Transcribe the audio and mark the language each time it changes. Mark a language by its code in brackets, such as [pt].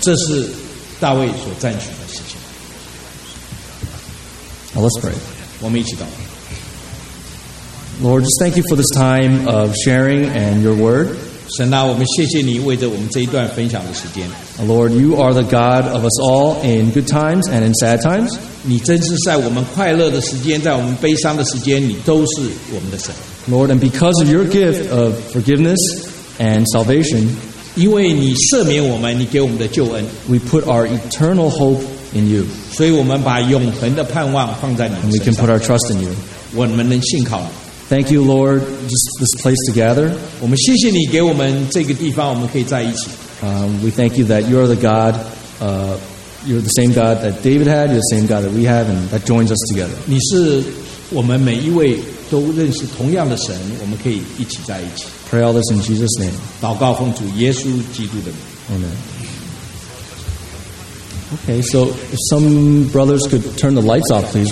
[zh] 这是大卫所赞许的事情。 [en] Let's pray. [zh] 我们一起祷告。 [en] Lord, just thank you for this time of sharing and your word. [zh] 神啊，我们谢谢你为着我们这一段分享的时间。 [en] Lord, you are the God of us all in good times and in sad times. [zh] 你真是在我们快乐的时间，在我们悲伤的时间，你都是我们的神。 [en] Lord, and because of your gift of forgiveness and salvation, [zh] 因为你赦免我们，你给我们的救恩, [en] we put our eternal hope in you. [zh] 所以我们把永恒的盼望放在你身上。 [en] And we can put our trust in you. [zh] 我们能信靠你。 [en] Thank you, Lord, just this place together. [zh] 我们谢谢你给我们这个地方，我们可以在一起。 [en] We thank you that you are the God, you're the same God that David had, you're the same God that we have, and that joins us together. [zh] 你是我们每一位 都认识同样的神，我们可以一起在一起。 [en] Pray all this in Jesus' name. [zh] 祷告奉主耶稣基督的名。 [en] Amen. Okay, so if some brothers could turn the lights off, please.